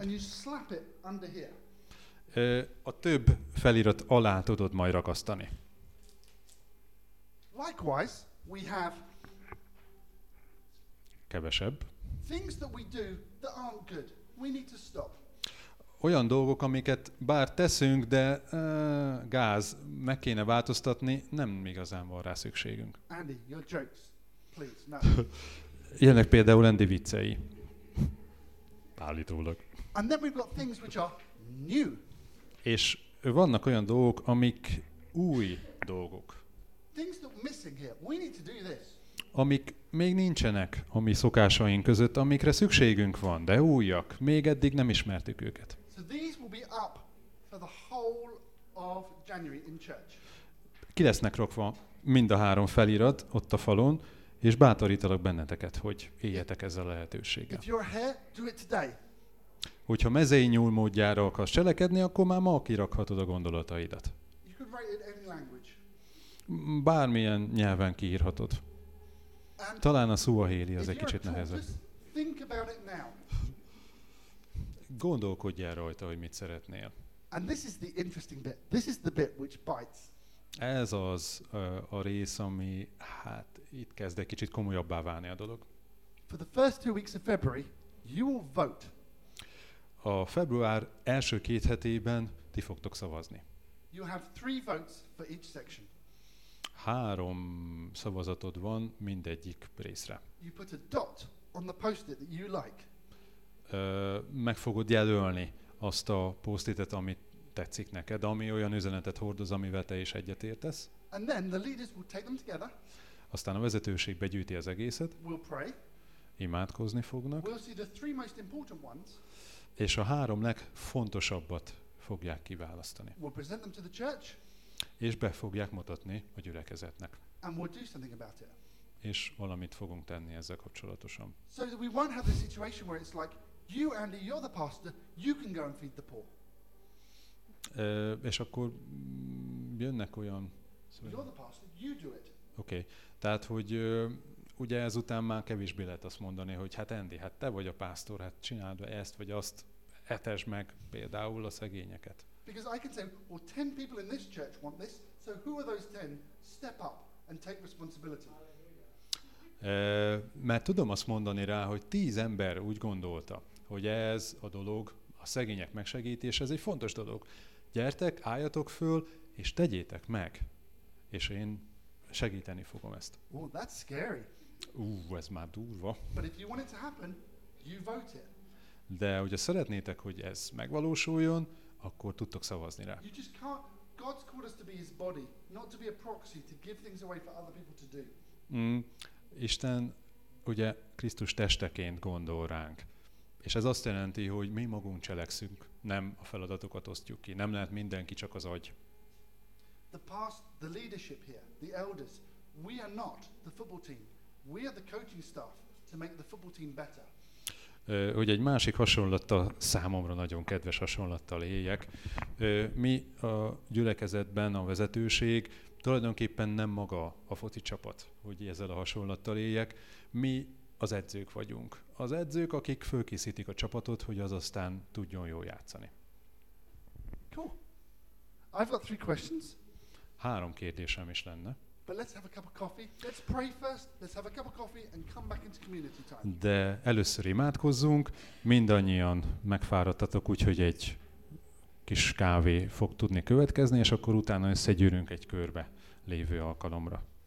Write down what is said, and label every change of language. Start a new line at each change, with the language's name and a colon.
English: And you slap it under here.
Hungarian: A több felirat alá tudod majd ragasztani.
English: Likewise, we have
Hungarian: kevesebb.
English: Things that we do that aren't good. We need to stop.
Hungarian: Olyan dolgok, amiket bár teszünk, de gáz, meg kéne változtatni, nem igazán van rá szükségünk.
English: Andy, your jokes, please, no.
Hungarian: Jönnek például Andy viccei. Állítólag.
English: And then we've got things which are new.
Hungarian: És vannak olyan dolgok, amik új dolgok.
English: Things that are missing here. We need to do this.
Hungarian: Amik még nincsenek a mi szokásaink között, amikre szükségünk van, de újak. Még eddig nem ismertük őket.
English: So these will be up for the whole of January in church.
Hungarian: Ki lesznek rakva mind a három felirat ott a falon, és bátorítalak benneteket, hogy éljetek ezzel a lehetőséggel.
English: If you're here, do it today.
Hungarian: Hogyha mezei nyúl módjára akarsz cselekedni, akkor már ma kirakhatod a gondolataidat.
English: You could write in any language.
Hungarian: Bármilyen nyelven kiírhatod. And talán a szuahéli az egy kicsit nehezebb.
English: Think about it now.
Hungarian: Gondolkodjál rajta, hogy mit szeretnél.
English: And this is the interesting bit. This is the bit which bites.
Hungarian: Ez az a rész, ami hát itt kezd egy kicsit komolyabbá válni a dolog.
English: For the first two weeks of February, you will vote.
Hungarian: A február első két hetében ti fogtok szavazni.
English: You have three votes for each section.
Hungarian: Három szavazatod van mindegyik részre.
English: You put a dot on the post-it that you like.
Hungarian: Meg fogod jelölni azt a post-itet, amit tetszik neked, ami olyan üzenetet hordoz, amivel te is egyetértesz.
English: And then the leaders will take them together.
Hungarian: Aztán a vezetőség begyűjti az egészet.
English: We'll pray.
Hungarian: Imádkozni fognak.
English: We'll see the three most important ones.
Hungarian: És a három legfontosabbat fogják kiválasztani.
English: We'll present them to the church.
Hungarian: És be fogják mutatni a gyülekezetnek.
English: And we'll do something about it.
Hungarian: És valamit fogunk tenni ezzel kapcsolatosan.
English: So that we won't have the situation where it's like, you Andy, you're the pastor, you can go and feed the poor.
Hungarian: És akkor jönnek olyan...
English: You're the pastor, you do it. Okay.
Hungarian: Tehát, hogy ugye ezután már kevésbé lehet azt mondani, hogy hát Andy, hát te vagy a pásztor, hát csináld ezt vagy azt, etesd meg például a szegényeket.
English: Because I can say, well, 10 people in this church want this, so who are those 10? Step up and take responsibility.
Hungarian: Mert tudom azt mondani rá, hogy 10 ember úgy gondolta, hogy ez a dolog, a szegények megsegítése, ez egy fontos dolog. Gyertek, álljatok föl, és tegyétek meg. És én segíteni fogom ezt.
English: Oh, that's scary.
Hungarian: Ez már durva.
English: But if you want it to happen, you vote it.
Hungarian: De hogyha szeretnétek, hogy ez megvalósuljon, akkor tudtok szavazni rá.
English: You just can't. God's called us to be his body, not to be a proxy, to give things away for other people to do.
Hungarian: Isten ugye Krisztus testeként gondol ránk. És ez azt jelenti, hogy mi magunk cselekszünk, nem a feladatokat osztjuk ki. Nem lehet mindenki, csak az agy.
English: The past, the leadership here, the elders, we are not the football team. We are the coaching staff to make the football team better.
Hungarian: Hogy egy másik hasonlattal, számomra nagyon kedves hasonlattal éljek. Mi a gyülekezetben a vezetőség, tulajdonképpen nem maga a foci csapat, hogy ezzel a hasonlattal éljek. Mi az edzők vagyunk. Az edzők, akik fölkészítik a csapatot, hogy az aztán tudjon jól játszani.
English: Cool. I've got three questions.
Hungarian: Három kérdésem is lenne.
English: But let's have a cup of coffee. Let's pray first. Let's have a cup of coffee and come back into community time.
Hungarian: De először imádkozzunk. Mindannyian megfáradtatok, úgyhogy egy kis kávé fog tudni következni, és akkor utána összegyűrünk egy körbe lévő alkalomra.